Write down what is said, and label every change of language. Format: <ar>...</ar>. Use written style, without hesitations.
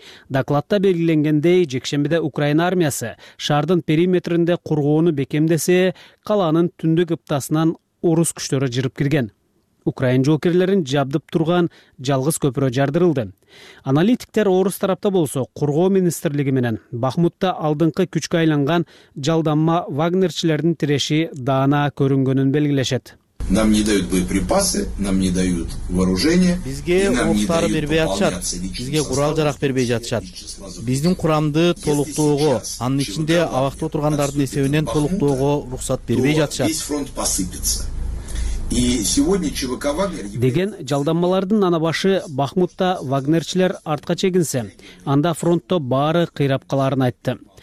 <ky>Докладта белгиленгендей, жекшембиде Украина армиясы шаардын периметринде коргоону бекемдесе, калаанын түндүк ыптасынан орус күчтөрү жырып кирген. Украин жоокерлерин жабдып турган жалгыз көпүрө жардырылды. Аналитиктер орус тарапта болсо, коргоо министрлиги менен Бахмутта алдыңкы күчкө айланган жалданма Вагнерчилердин тиреши даана көрүнгөнүн белгилешет.</ky> <ru>Нам не дают боеприпасы, нам не дают вооружение.</ru> <ky>Бизге оруктар бербей атышат, бизге курал жарак бербей жатышат. Биздин курамды толуктоого, анын ичинде абактоо тургандардын эсебинен толуктоого уруксат бербей жатышат.</ky> <ru>И сегодня ЧВК Вагнер.</ru> <ky>Деген жалданмалардын анабашы Бахмутта Вагнерчилер артка чегинсе, анда фронтто баары кыйрап каларын айтты.</ky>